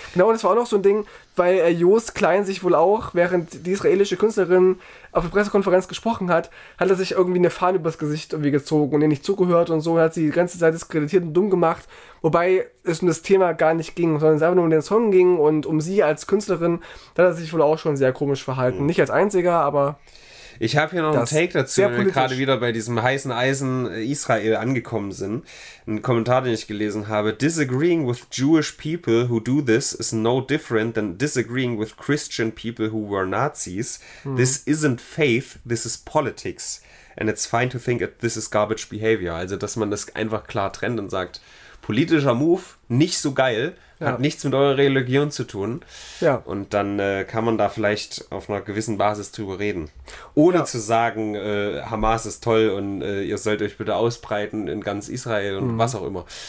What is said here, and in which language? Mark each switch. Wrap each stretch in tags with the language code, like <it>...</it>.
<de>Genau, und das war auch noch so ein Ding, weil Joost Klein sich wohl auch, während die israelische Künstlerin auf der Pressekonferenz gesprochen hat, hat er sich irgendwie eine Fahne übers Gesicht irgendwie gezogen und ihr nicht zugehört und so, hat sie die ganze Zeit diskreditiert und dumm gemacht, wobei es um das Thema gar nicht ging, sondern es einfach nur um den Song ging und um sie als Künstlerin, da hat er sich wohl auch schon sehr komisch verhalten. Mhm. Nicht als einziger, aber... Ich habe hier noch einen Take dazu, wenn wir gerade wieder bei diesem heißen Eisen Israel angekommen sind. Ein Kommentar, den ich gelesen habe.</de> <en>Disagreeing with Jewish people who do this is no different than disagreeing with Christian people who were Nazis. This isn't faith, this is politics. And it's fine to think that this is garbage behavior.</en> <de>Also, dass man das einfach klar trennt und sagt, politischer Move, nicht so geil, hat nichts mit eurer Religion zu tun. Ja. Und dann kann man da vielleicht auf einer gewissen Basis drüber reden. Ohne zu sagen, Hamas ist toll und ihr sollt euch bitte ausbreiten in ganz Israel und was auch immer.</de>